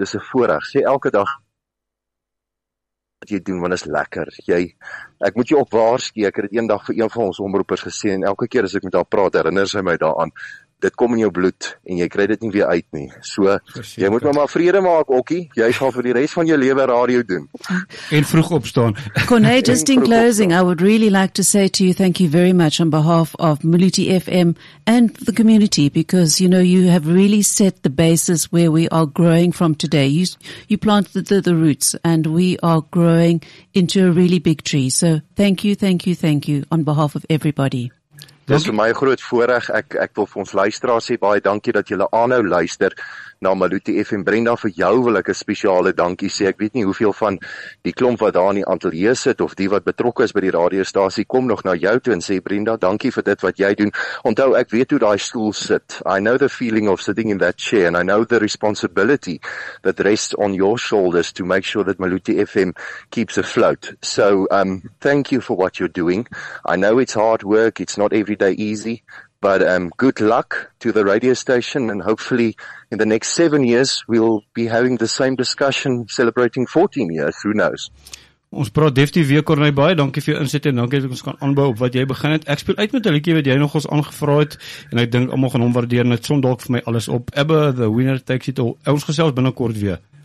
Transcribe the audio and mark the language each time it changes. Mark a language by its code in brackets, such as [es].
[af] Dis 'n voorreg. Sê elke dag wat jy doen, want is lekker. Ek moet jou op waarsku, ek het eendag vir een van ons omroepers gesê, en elke keer as ek met haar praat, herinner sy my daaraan, dit kom in jou bloed, en jy kry dit nie weer uit nie. So, jy moet maar vrede maak, Okkie, jy gaan vir die rest van jou lewe radio doen. En vroeg opstaan. [en] Kornei, just in closing, I would really like to say to you, thank you very much on behalf of Maluti FM and the community, because, you know, you have really set the basis where we are growing from today. You planted the roots, and we are growing into a really big tree. So, thank you, on behalf of everybody. [af] Dit is vir my groot voorreg, ek wil vir ons luisteraar sê, baie dankie dat julle aanhou luister na Maluti FM. Brenda, vir jou wil ek 'n spesiale dankie sê, ek weet nie hoeveel van die klomp wat daar in die ateljee sit, of die wat betrokke is by die radiostasie, kom nog na jou toe en sê, Brenda, dankie vir dit wat jy doen. Onthou, ek weet hoe daai stoel sit, [en] I know the feeling of sitting in that chair, and I know the responsibility that rests on your shoulders to make sure that Maluti FM keeps afloat. So, thank you for what you're doing. I know it's hard work, it's not every day easy, but good luck to the radio station, and hopefully in the next 7 years we'll be having the same discussion celebrating 14 years, who knows. [af] Ons praat definitief weer, Kornei, baie dankie vir jou insette, en dankie dat ons kan aanbou op wat jy begin het. Ek speel uit met 'n liedjie wat jy nog ons aangevra het, en ek dink almal gaan hom waardeer, en het som dalk vir my alles op. Ebbe, [en] the winner takes it all. [af] Ons gesels binnekort weer.